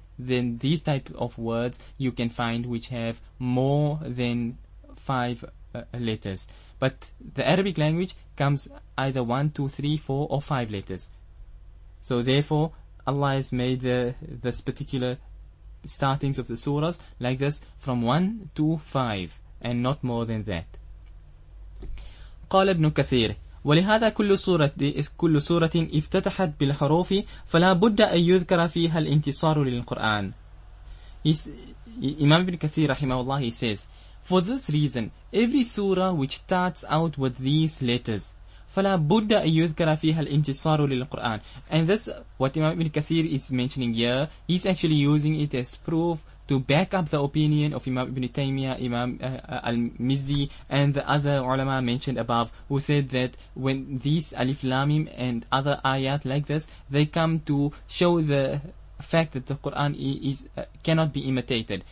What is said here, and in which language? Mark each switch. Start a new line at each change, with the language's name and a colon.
English: Then these type of words you can find which have more than 5 letters. But the Arabic language comes either 1, 2, 3, 4, or 5 letters. So therefore, Allah has made this particular startings of the surahs like this, from 1 to 5, and not more than that.
Arabic: قال ابن كثير, ولهذا كل سورة كل سورة افتتحت بالحروف فلا بد أن يذكر فيها الانتصار للقرآن.
English: Imam Ibn Kathir rahimahullah, he says, for this reason, every surah which starts out with these letters,
Arabic: فلا بد أن يذكر فيها الانتصار للقرآن.
English: And this, what Imam Ibn Kathir is mentioning here, he's actually using it as proof to back up the opinion of Imam Ibn Taymiyyah, Imam Al-Mizdi, and the other ulama mentioned above, who said that when these Alif Lamim and other ayat like this, they come to show the fact that the Quran is cannot be imitated.